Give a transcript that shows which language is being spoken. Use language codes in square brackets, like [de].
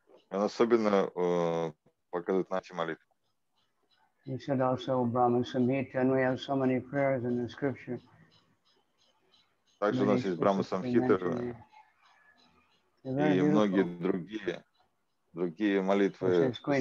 [ru] Он особенно показывает на эти молитвы. [en] He said also Brahma Samhita, and we have so many prayers in the scripture. [ru] Также у нас есть Брама Самхита и многие другие молитвы.